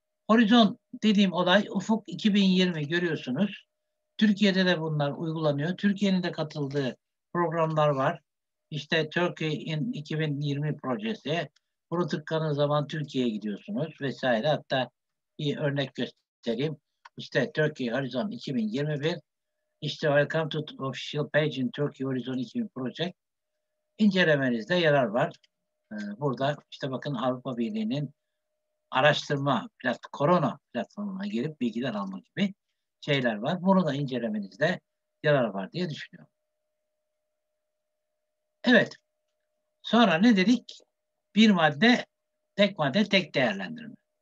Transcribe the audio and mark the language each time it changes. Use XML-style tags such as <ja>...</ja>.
<tr>Horizon dediğim olay Ufuk 2020 görüyorsunuz. Türkiye'de de bunlar uygulanıyor. Türkiye'nin de katıldığı programlar var. İşte Turkey in 2020 projesi. Bunu tıkladığınız zaman Türkiye'ye gidiyorsunuz vesaire. Hatta bir örnek göstereyim. İşte Turkey Horizon 2021.</tr> <en>İşte Welcome to the official page in Turkey Horizon 2020 project.</en> <tr>İncelemenizde yarar var. Burada işte bakın Avrupa Birliği'nin araştırma korona platformuna girip bilgiler almak gibi şeyler var. Bunu da incelemenizde yarar var diye düşünüyorum. Evet. Sonra ne dedik? Bir madde, tek madde, tek değerlendirme.</tr>